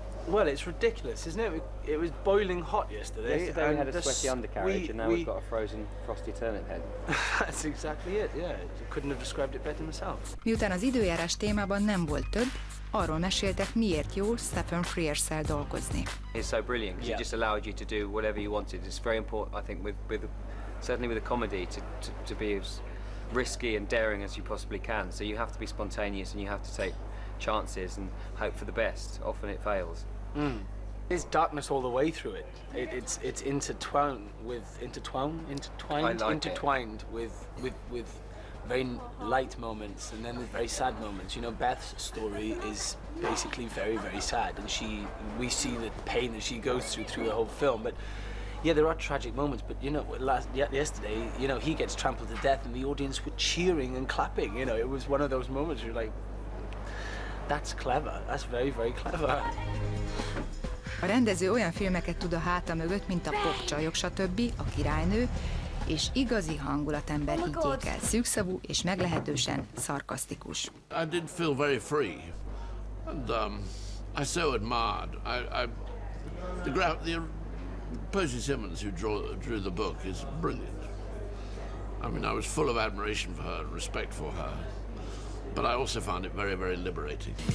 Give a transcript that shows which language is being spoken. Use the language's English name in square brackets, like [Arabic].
[English] Well, it's ridiculous, isn't it? It was boiling hot yesterday. Yesterday we had a sweaty undercarriage and now we've got a frozen, frosty turnip head. That's exactly it, yeah. Couldn't have described it better myself. [Hungarian] Miután az időjárás témában nem volt több, arról meséltek, miért jó Stephen Frears-szel dolgozni. [English] It's so brilliant, because it just allowed you to do whatever you wanted. It's very important, I think, with certainly with a comedy, to be as risky and daring as you possibly can. So you have to be spontaneous and you have to take chances and hope for the best. Often it fails. Mm. It's darkness all the way through it. It's intertwined with very light moments and then very sad moments. You know, Beth's story is basically very, very sad, and we see the pain that she goes through the whole film. But yeah, there are tragic moments. But you know, yesterday, you know, he gets trampled to death, and the audience were cheering and clapping. You know, it was one of those moments where you're like, that's clever. That's very, very clever. [Hungarian] A rendező olyan filmeket tud a háta mögött, mint a Pop csajok, stb., a Királynő, és igazi hangulatember hitjékkel, szűkszavú és meglehetősen szarkasztikus. [English] I did feel very free, and I so admired. The Percy Simmons who drew the book is brilliant. I mean, I was full of admiration for her and respect for her. But I also found it very, very liberating.